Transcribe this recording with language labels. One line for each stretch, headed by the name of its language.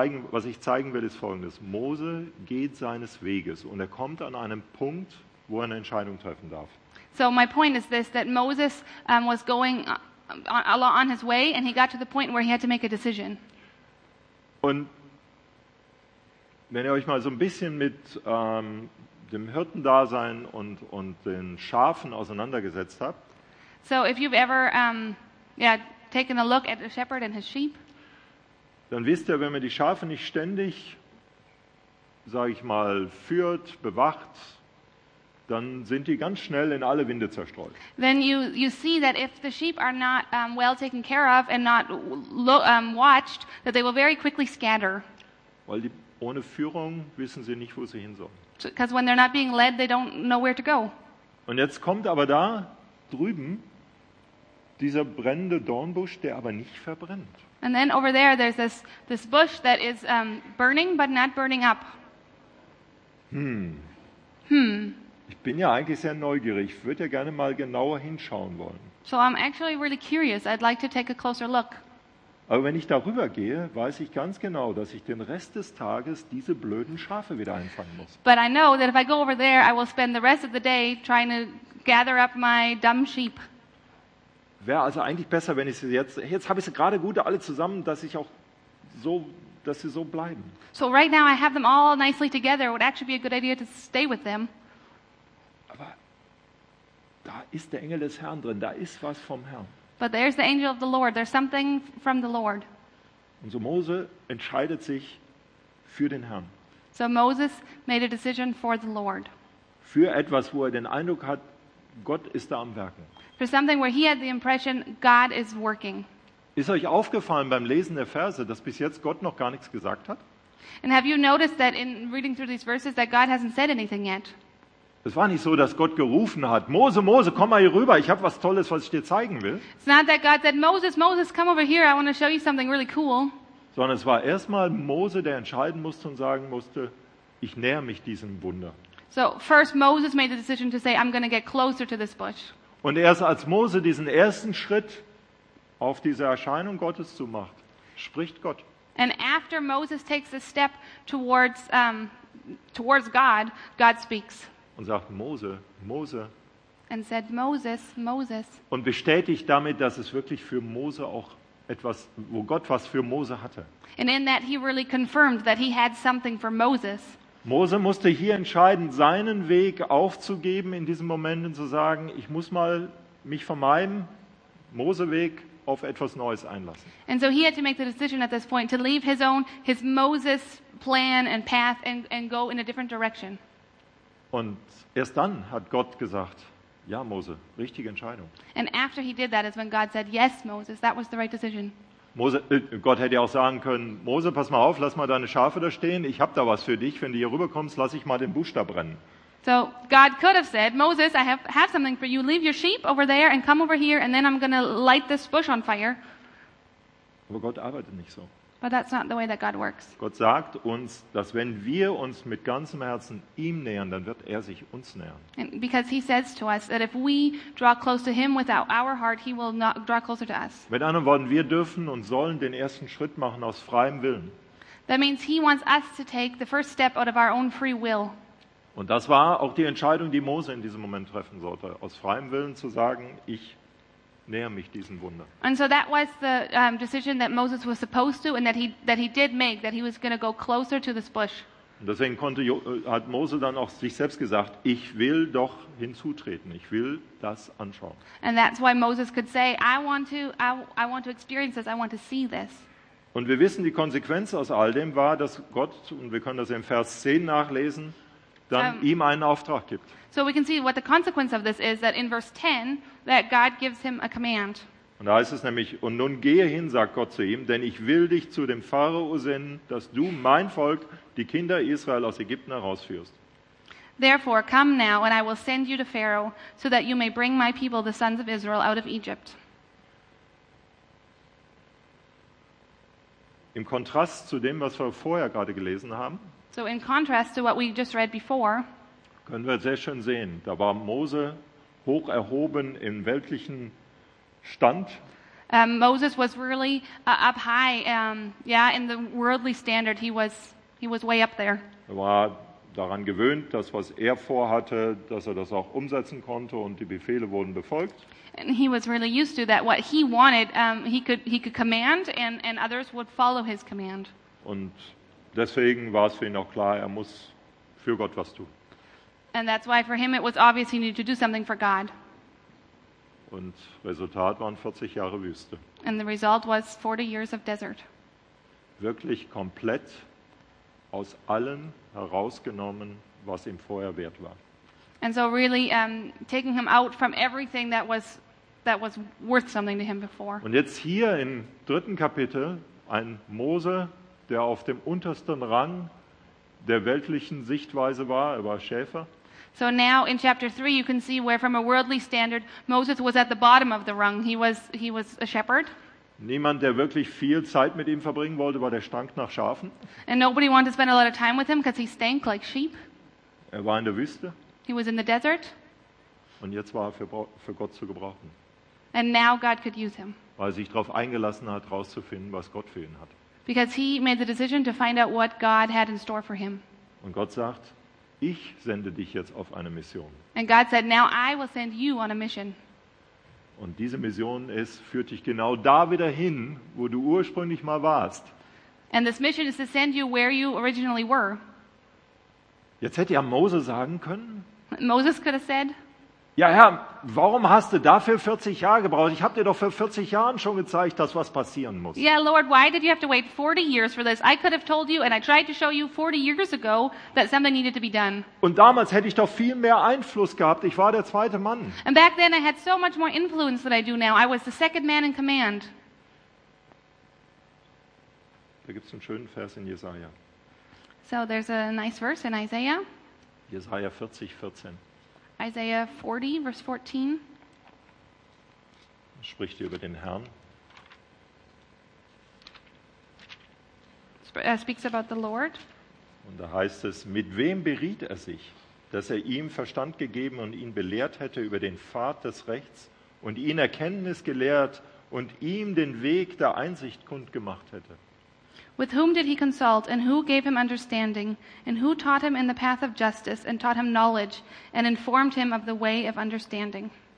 German: Was ich zeigen will, ist Folgendes. Mose geht seines Weges und er kommt an einem Punkt, wo er eine Entscheidung treffen darf.
English: So my point is this, that Moses was going on his way and he got to the point where he had to make a decision.
German: Und wenn ihr euch mal so ein bisschen mit dem Hirtendasein und den Schafen auseinandergesetzt habt.
English: So if you've ever taken a look at a shepherd and his sheep.
German: Dann wisst ihr, wenn man die Schafe nicht ständig, sage ich mal, führt, bewacht, dann sind die ganz schnell in alle Winde zerstreut.
English: Then you see that if the sheep are not well taken care of and not watched, that they will very quickly scatter.
German: Weil die ohne Führung wissen sie nicht, wo sie hin sollen.
English: Because when they're not being led, they don't know where to go.
German: Und jetzt kommt aber da drüben dieser brennende Dornbusch, der aber nicht verbrennt.
English: And then over there there's this bush that is burning but not burning up.
German: Ich bin ja eigentlich sehr neugierig. Ich würde ja gerne mal genauer hinschauen wollen.
English: So I'm actually really curious. I'd like to take a closer look.
German: Aber wenn ich darüber gehe, weiß ich ganz genau, dass ich den Rest des Tages diese blöden Schafe wieder einfangen muss.
English: But I know that if I go over there, I will spend the rest of the day trying to gather up my dumb sheep.
German: Wäre also eigentlich besser, wenn ich sie jetzt habe ich sie gerade gut alle zusammen, dass ich auch so, dass sie so bleiben.
English: So right now I have them all nicely together. It would actually be a good idea to stay with them.
German: Aber da ist der Engel des Herrn drin, da ist was vom Herrn.
English: But there's the angel of the Lord. There's something from the Lord.
German: Und so Mose entscheidet sich für den Herrn.
English: So Moses made a decision for the Lord.
German: Für etwas, wo er den Eindruck hat, Gott ist da am Werken.
English: For something where he had the impression God is working.
German: Ist euch aufgefallen beim Lesen der Verse, dass bis jetzt Gott noch gar nichts gesagt hat?
English: And have you noticed that in reading through these verses that God hasn't said anything yet?
German: Es war nicht so, dass Gott gerufen hat, Mose, Mose, komm mal hier rüber, ich habe was Tolles, was ich dir zeigen will.
English: It's not that God said, Moses, Moses, come over here, I want to show you something really cool.
German: Sondern es war erstmal Mose, der entscheiden musste und sagen musste, ich näher mich diesem Wunder.
English: So first Moses made the decision to say, I'm going to get closer to this bush.
German: Und erst als Mose diesen ersten Schritt auf diese Erscheinung Gottes zu macht, spricht Gott.
English: And after Moses takes a step towards towards God, God speaks.
German: Und sagt Mose, Mose.
English: And said Moses, Moses.
German: Und bestätigt damit, dass es wirklich für Mose auch etwas, wo Gott was für Mose hatte.
English: And in that he really confirmed that he had something for Moses.
German: Mose musste hier entscheiden, seinen Weg aufzugeben in diesem Moment und zu sagen, ich muss mal mich von meinem Mose-Weg auf etwas Neues einlassen.
English: And so he had to make the decision at this point to leave his own, his Moses plan and path and go in a different direction.
German: Und erst dann hat Gott gesagt, ja, Mose, richtige Entscheidung.
English: And after he did that is when God said, yes, Moses, that was the right decision.
German: Mose, Gott hätte auch sagen können, Mose, pass mal auf, lass mal deine Schafe da stehen, ich habe da was für dich, wenn du hier rüberkommst, lass ich mal den Busch da brennen.
English: So God could have said, Moses, I have something for you, leave your sheep over there and come over here and then I'm going to light this bush on fire.
German: Aber Gott arbeitet nicht so.
English: But that's not the way that God works.
German: Gott sagt uns, dass wenn wir uns mit ganzem Herzen ihm nähern, dann wird er sich uns nähern.
English: And because he says to us that if we draw close to him with our heart, he will not draw closer to us.
German: Mit anderen Worten, wir dürfen und sollen den ersten Schritt machen aus freiem Willen.
English: That means he wants us to take the first step out of our own free will.
German: Und das war auch die Entscheidung, die Mose in diesem Moment treffen sollte, aus freiem Willen zu sagen, ich näher mich diesem Wunder.
English: And so that was the decision that Moses was supposed to and that he did make, that he was going to go closer to this bush.
German: Und deswegen hat Mose dann auch sich selbst gesagt, ich will doch hinzutreten, ich will das anschauen.
English: And that's why Moses could say, I want to experience this, I want to see this.
German: Und wir wissen, die Konsequenz aus all dem war, dass Gott, und wir können das im Vers 10 nachlesen, dann ihm einen Auftrag gibt.
English: So we can see what the consequence of this is, that in verse 10, that God gives him a command.
German: Und da heißt es nämlich, und nun gehe hin, sagt Gott zu ihm, denn ich will dich zu dem Pharao senden, dass du mein Volk, die Kinder Israel aus Ägypten herausführst.
English: Therefore, come now, and I will send you to Pharaoh, so that you may bring my people, the sons of Israel, out of Egypt.
German: Im Kontrast zu dem, was wir vorher gerade gelesen haben,
English: so in contrast to what we just read before,
German: können wir sehr schön sehen, da war Mose hoch erhoben im weltlichen Stand.
English: Moses was really up high, in the worldly standard. He was way up there.
German: Er war daran gewöhnt, dass was er vorhatte, dass er das auch umsetzen konnte und die Befehle wurden befolgt.
English: And he was really used to that. What he wanted, he could command and others would follow his command.
German: Und deswegen war es für ihn auch klar, er muss für Gott was tun.
English: And that's why for him it was obvious he needed to do something for God.
German: Und Resultat waren 40 Jahre Wüste.
English: And the result was 40 years of desert.
German: Wirklich komplett aus allem herausgenommen, was ihm vorher wert war.
English: And so really taking him out from everything that was worth something to him before.
German: Und jetzt hier im dritten Kapitel ein Mose, der auf dem untersten Rang der weltlichen Sichtweise war, er war Schäfer.
English: So now in chapter 3 you can see where from a worldly standard Moses was at the bottom of the rung. He was a shepherd.
German: Niemand, der wirklich viel Zeit mit ihm verbringen wollte, weil der stank nach Schafen.
English: And nobody wanted to spend a lot of time with him because he stank like sheep.
German: Er war in der Wüste.
English: He was in the desert.
German: Und jetzt war er für Gott zu gebrauchen.
English: And now God could use him.
German: Weil er sich darauf eingelassen hat, herauszufinden, was Gott für ihn hat.
English: Because he made the decision to find out what God had in store for him.
German: Und Gott sagt, ich sende dich jetzt auf eine Mission.
English: And God said, now I will send you on a mission.
German: Und diese Mission ist, führt dich genau da wieder hin, wo du ursprünglich mal warst.
English: And this mission is to send you where you originally were.
German: Jetzt hätte ja Mose sagen können,
English: Moses could have said,
German: Ja, Herr, warum hast du dafür 40 Jahre gebraucht? Ich habe dir doch vor 40 Jahren schon gezeigt, dass was passieren muss.
English: Yeah, Lord, why did you have to wait 40 years for this? I could have told you and I tried to show you 40 years ago that something needed to be done.
German: Und damals hätte ich doch viel mehr Einfluss gehabt. Ich war der zweite Mann.
English: And back then I had so much more influence than I do now. I was the second man in command.
German: Da gibt's einen schönen Vers in Jesaja.
English: So there's a nice verse in Isaiah.
German: Jesaja 40, 14.
English: Isaiah 40, verse 14.
German: Spricht über den Herrn.
English: Speaks about the Lord.
German: Und da heißt es, mit wem beriet er sich, dass er ihm Verstand gegeben und ihn belehrt hätte über den Pfad des Rechts und ihn Erkenntnis gelehrt und ihm den Weg der Einsicht kundgemacht hätte?
English: With whom did he consult, and who gave him understanding, and who taught him in the path of justice, and taught him knowledge, and informed him of the way of understanding?